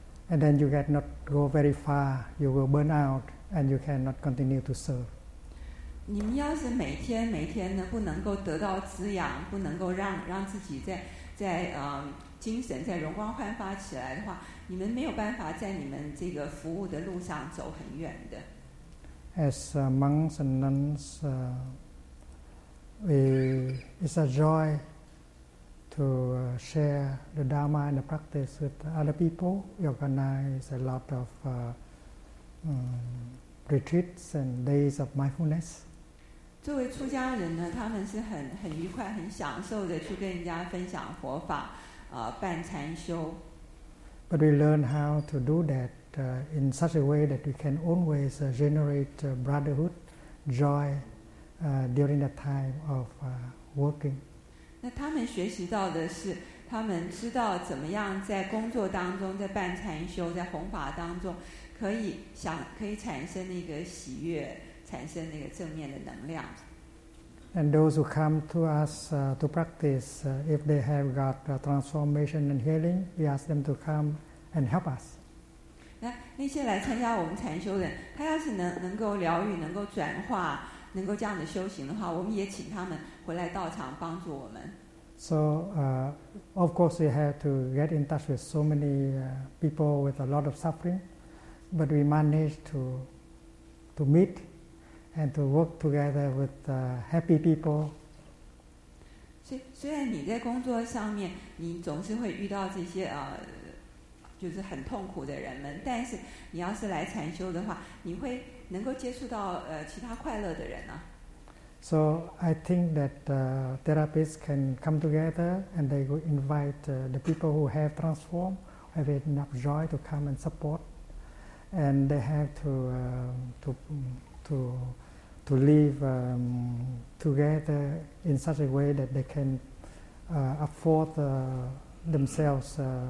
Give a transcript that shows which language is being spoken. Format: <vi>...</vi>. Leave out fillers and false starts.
<en>And then you cannot go very far. You will burn out, and you cannot continue to serve.</en> <zh>你们要是每天每天呢，不能够得到滋养，不能够让自己在精神在容光焕发起来的话，你们没有办法在你们这个服务的路上走很远的。</zh> <en>As monks and nuns, it's a joy to share the Dharma and the practice with other people. We organize a lot of retreats and days of mindfulness.</en> <zh>作为出家人呢，他们是很愉快、很享受的去跟人家分享佛法，办禅修。</zh> <en>But we learn how to do that in such a way that we can always generate brotherhood, joy during the time of working.</en> <zh>那他们学习到的是，他们知道怎么样在工作当中，在办禅修，在弘法当中，可以产生那个喜悦，产生那个正面的能量。</zh> <en>And those who come to us to practice, if they have got transformation and healing, we ask them to come and help us.</en> <zh>那些来参加我们禅修的人，他要是能够疗愈，能够转化。能够这样的修行的话，我们也请他们回来道场帮助我们。</zh> <en>So, of course, we have to get in touch with so many people with a lot of suffering, but we manage to meet and to work together with happy people.</en> <zh>虽然你在工作上面，你总是会遇到这些就是很痛苦的人们，但是你要是来禅修的话，你会。能够接触到其他快乐的人呢、啊、</zh> <en>？So I think that therapists can come together and they will invite the people who have transformed, have enough joy to come and support, and they have to live together in such a way that they can afford themselves</en>